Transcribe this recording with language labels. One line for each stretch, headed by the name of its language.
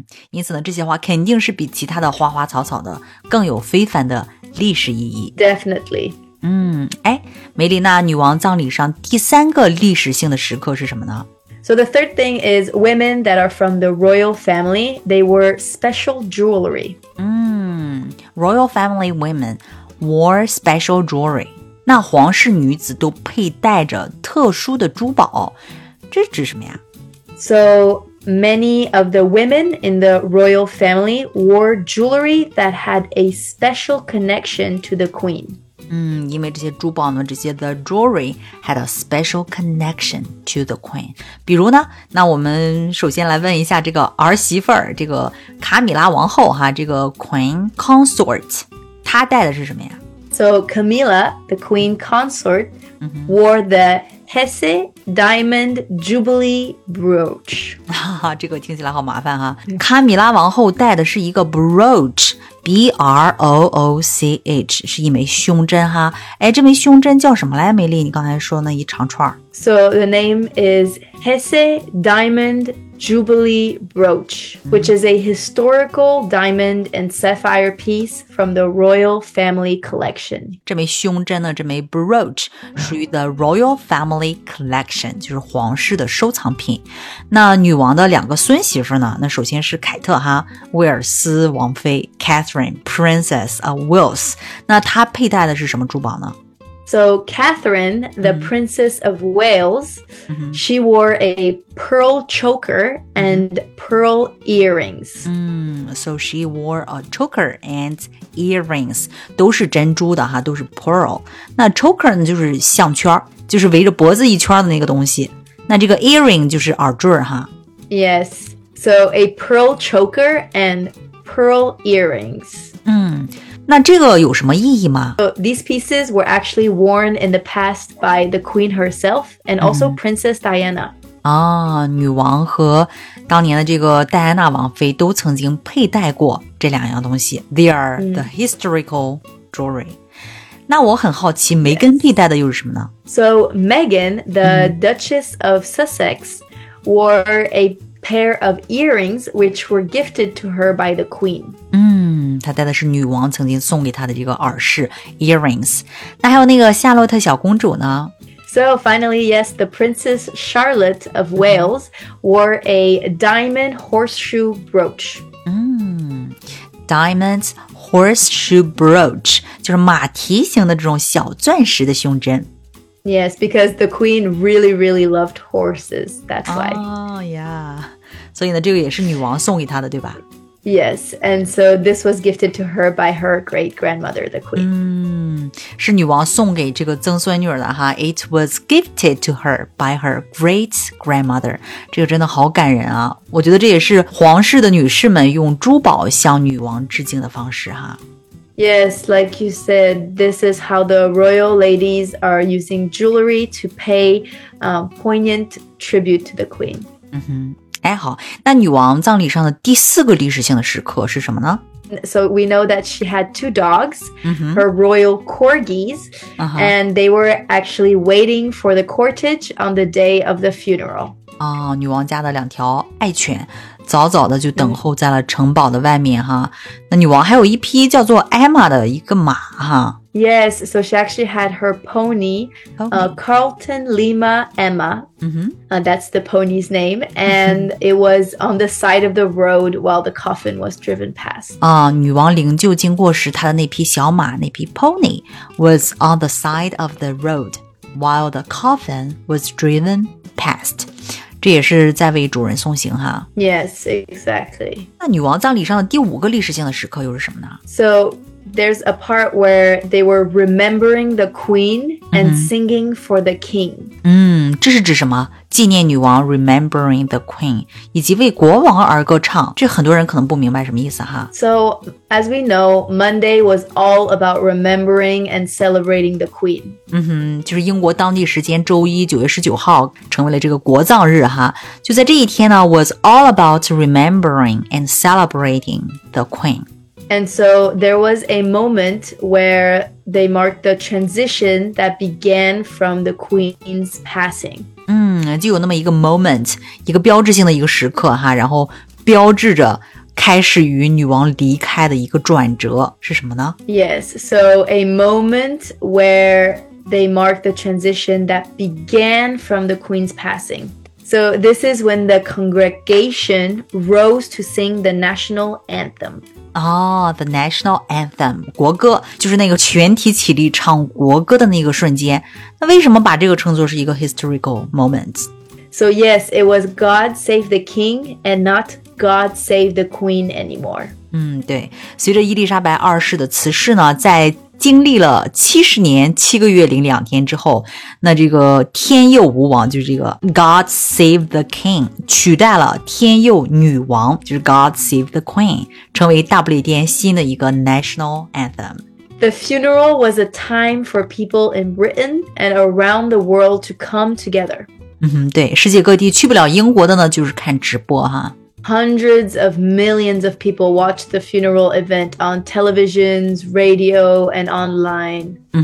Chinese: 因此呢，这些花肯定是比其他的花花草草的更有非凡的历史意义。
English: Definitely.
Chinese: 梅丽娜，女王葬礼上第三个历史性的时刻是什么呢？
English: So the third thing is women that are from the royal family, they wore special jewelry. Royal family women wore special jewelry.
Chinese: 那皇室女子都佩戴着特殊的珠宝，这指什么呀？
English: So... Many of the women in the royal family wore jewelry that had a special connection to the queen.
Chinese: 因为这些珠宝呢，这些
English: the jewelry had a special connection to the queen.
Chinese: 比如呢，那我们首先来问一下这个儿媳妇儿，这个卡米拉王后哈，这个
English: queen consort,
Chinese: 她戴的是什么呀？
English: So Camilla, the queen consort,、mm-hmm. wore the Hesse Diamond Jubilee brooch.
Chinese: 这个听起来好麻烦哈。卡米拉王后戴的是一个 brooch,B-R-O-O-C-H, 是一枚胸针哈。哎，这枚胸针叫什么来，美丽？你刚才说那一长串。
English: So the name is Hesse Diamond Jubilee Brooch, which is a historical diamond and sapphire piece from the Royal Family Collection.
Chinese: 这枚胸针呢，这枚 brooch, 属于
English: the Royal Family Collection,
Chinese: 就是皇室的收藏品。那女王的两个孙媳妇呢，那首先是凯特哈，威尔斯王妃 Catherine, Princess of Wales, 那她佩戴的是什么珠宝呢？
English: So Catherine, the、mm-hmm. Princess of Wales,、mm-hmm. she wore a pearl choker and、mm-hmm. pearl earrings.、 So she wore a choker and earrings.
Chinese: 都是珍珠的哈，都是 pearl. 那 choker 呢，就是项圈，就是围着脖子一圈的那个东西。那这个 earring 就是耳坠哈。
English: Yes, so a pearl choker and pearl earrings.、
Chinese: 那这个有什么意义吗？
English: So, these pieces were actually worn in the past by the queen herself and also、Princess Diana.
Chinese: 啊，女王和当年的这个戴安娜王妃都曾经佩戴过这两样东西。
English: They are the historical jewelry.、
Chinese: 那我很好奇梅根佩戴的又是什么呢？
English: So Meghan, the、Duchess of Sussex, wore a pair of earrings which were gifted to her by the queen.
Chinese: 她戴的是女王曾经送给她的这个耳饰 earrings. 那还有那个夏洛特小公主呢？
English: So finally, yes, the Princess Charlotte of Wales wore a diamond horseshoe brooch. Diamond horseshoe brooch
Chinese: 就是马蹄形的这种小钻石的胸针。
English: Yes, because the queen really, really loved horses. That's why. Oh, yeah.
Chinese: 所以呢，这个也是女王送给她的，对吧？
English: Yes, and so this was gifted to her by her great-grandmother, the queen.
Chinese: 是女王送给这个曾孙女的哈。
English: It was gifted to her by her great-grandmother.
Chinese: 这个真的好感人啊。我觉得这也是皇室的女士们用珠宝向女王致敬的方式哈。
English: Yes, like you said, this is how the royal ladies are using jewelry to pay poignant tribute to the queen.
Chinese: 哎，好，那女王葬礼上的第四个历史性的时刻是什么呢？
English: So we know that she had two dogs,、mm-hmm. her royal corgis,、uh-huh. and they were actually waiting for the cortege on the day of the funeral.
Chinese: 哦，女王家的两条爱犬早早的就等候在了城堡的外面哈。那女王还有一匹叫做 Emma 的一个马哈。
English: Yes, so she actually had her pony, Carlton Lima Emma,、that's the pony's name, and it was on the side of the road while the coffin was driven past.
Chinese: 女王灵柩经过时她的那匹小马那匹
English: pony was on the side of the road while the coffin was driven past.
Chinese: 这也是在为主人送行哈。
English: Yes, exactly.
Chinese: 那女王葬礼上的第五个历史性的时刻又是什么呢？
English: So, there's a part where they were remembering the queen and singing for the king.
Chinese: 这是指什么？纪念女王
English: remembering the queen,
Chinese: 以及为国王而歌唱。这很多人可能不明白什么意思哈。
English: So, as we know, Monday was all about remembering and celebrating the queen.
Chinese: 就是英国当地时间周一9月19号成为了这个国葬日哈。就在这一天呢
English: was all about remembering and celebrating the queen. And so there was a moment where they marked the transition that began from the queen's passing.
Chinese: 就有那么一个 moment, 一个标志性的一个时刻哈，然后标志着开始与女王离开的一个转折是什么呢？
English: Yes, so a moment where they marked the transition that began from the queen's passing. So this is when the congregation rose to sing the national anthem. The national anthem,
Chinese: 国歌就是那个全体起立唱国歌的那个瞬间。那为什么把这个称作是一个
English: historical moment? So yes, it was God save the king and not God save the queen anymore.
Chinese: 对，随着伊丽莎白二世的辞世呢，在经历了70年7个月0两天之后，那这个天佑吾王，就是这个
English: God save the king,
Chinese: 取代了天佑女王，就是
English: God save the queen,
Chinese: 成为大不列颠新的一个
English: national anthem. The funeral was a time for people in Britain and around the world to come together.
Chinese: 对，世界各地去不了英国的呢，就是看直播哈。
English: Hundreds of millions of people watched the funeral event on televisions, radio, and online.